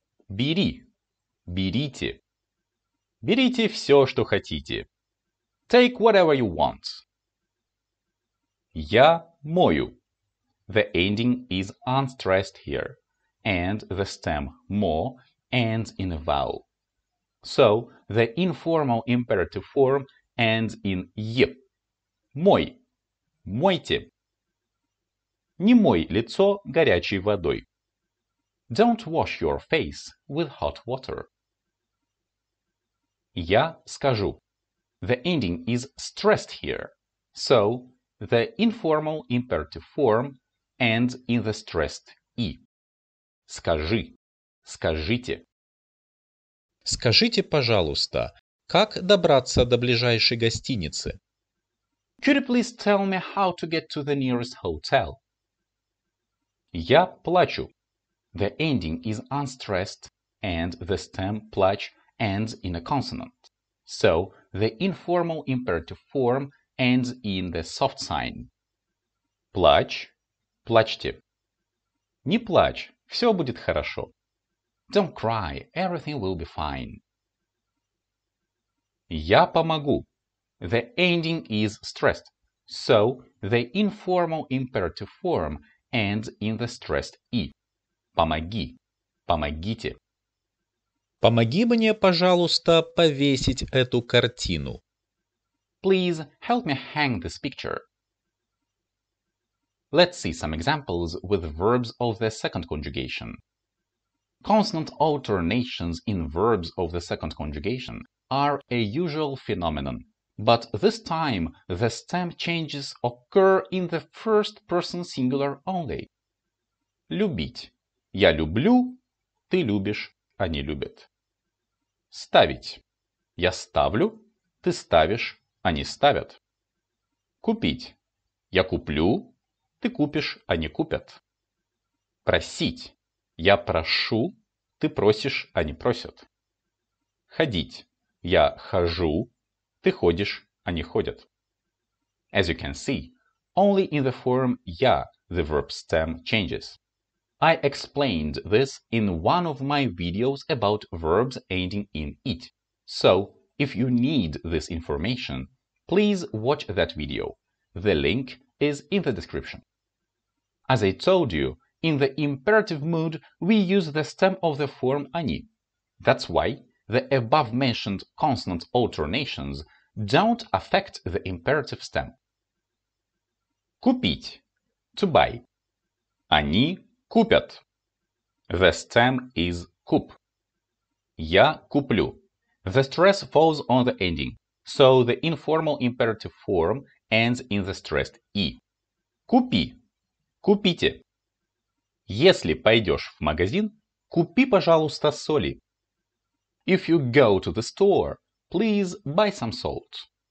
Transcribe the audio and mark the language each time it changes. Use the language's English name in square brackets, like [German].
[Russian] Бери. Берите. Берите все, что хотите. [English] Take whatever you want. [Russian] Я мою. [English] The ending is unstressed here, and the stem мо ends in a vowel. So, the informal imperative form ends in е. [Russian] Мой. Мойте. Не мой лицо горячей водой. [English] Don't wash your face with hot water. [Russian] Я скажу. [English] The ending is stressed here, so the informal imperative form ends in the stressed и. [Russian] Скажи. Скажите. Скажите, пожалуйста, как добраться до ближайшей гостиницы? [English] Could you please tell me how to get to the nearest hotel? [Russian] Я плачу. [English] The ending is unstressed and the stem плач ends in a consonant. So, the informal imperative form ends in the soft sign. [Russian] Плач. Плачьте. Не плачь, все будет хорошо. [English] Don't cry, everything will be fine. [Russian] Я помогу. [English] The ending is stressed, so the informal imperative form ends in the stressed и. [Russian] Помоги. Помогите. Помоги мне, пожалуйста, повесить эту картину. [English] Please help me hang this picture. Let's see some examples with verbs of the second conjugation. Consonant alternations in verbs of the second conjugation are a usual phenomenon. But this time, the stem changes occur in the first person singular only. [Russian] Любить. Я люблю, ты любишь, они любят. Ставить. Я ставлю, ты ставишь, они ставят. Купить. Я куплю, ты купишь, они купят. Просить. Я прошу, ты просишь, они просят. Ходить. Я хожу, ты ходишь, они ходят. [English] As you can see, only in the form я the verb stem changes. I explained this in one of my videos about verbs ending in it. So, if you need this information, please watch that video. The link is in the description. As I told you, in the imperative mood, we use the stem of the form они. That's why the above-mentioned consonant alternations don't affect the imperative stem. [Russian] Купить. [English] To buy. [Russian] Они купят. [English] The stem is куп. [Russian] Я куплю. [English] The stress falls on the ending, so the informal imperative form ends in the stressed и. [Russian] Купи. Купите. Если пойдешь в магазин, купи, пожалуйста, соли. [English] If you go to the store, please buy some salt.